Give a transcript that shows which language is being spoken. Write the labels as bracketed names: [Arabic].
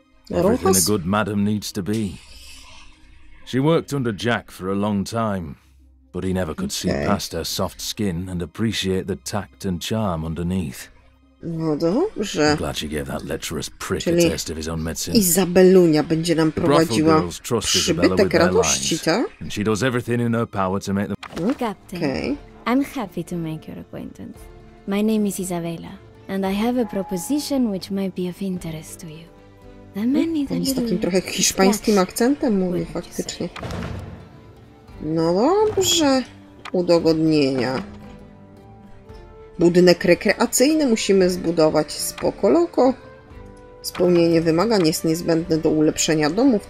[English] Everything a good madam needs to be. She worked under Jack for a long time, but he never could see past her soft skin and appreciate the tact and charm underneath. [Polish] No dobrze. [English] I'm glad she gave that lecherous prick a taste of his own medicine. [Polish] Isabelunia będzie nam prowadziła przybytek radości, tak? [English] And she does everything in her power to make them... Captain. Okay. I'm happy to make your acquaintance. My name is Isabella, and I have a proposition which might be of interest to you. The many that [Polish] z takim trochę hiszpańskim akcentem mówi faktycznie. No dobrze. Udogodnienia. Budynek rekreacyjny musimy zbudować. Spoko loko. Spełnienie wymagań jest niezbędne do ulepszenia domów.